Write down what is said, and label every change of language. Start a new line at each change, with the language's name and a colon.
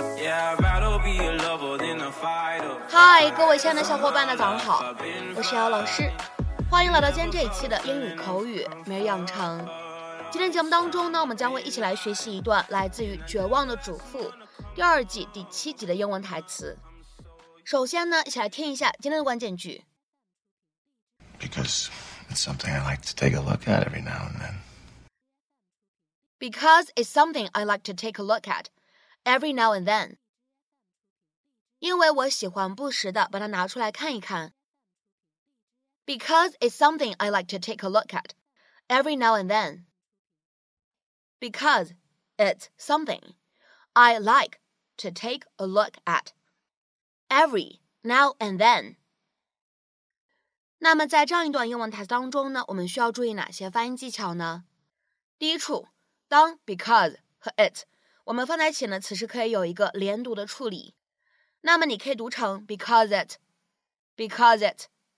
Chinese: 嗨，各位亲爱的小伙伴们，早上好，我是姚老师，欢迎来到今天这一期的英语口语每日养成。今天节目当中呢，我们将会一起来学习一段来自于《绝望的主妇》第二季第七集的英文台词。首先呢，一起来听一下今天的关键句。
English: Because it's something I like to take a look at every now and then. Because it's something I like to take a look at every now and then.
Chinese: 因为我喜欢不时的把它拿出来看一看。
English: Because it's something I like to take a look at every now and then. Because it's something I like to take a look at every now and then.
Chinese: 那么在这样一段英文台词当中呢，我们需要注意哪些发音技巧呢？第一处，当 because 和 it 我们放在一起呢，此时可以有一个连读的处理。那么你可以读成 because it, because it.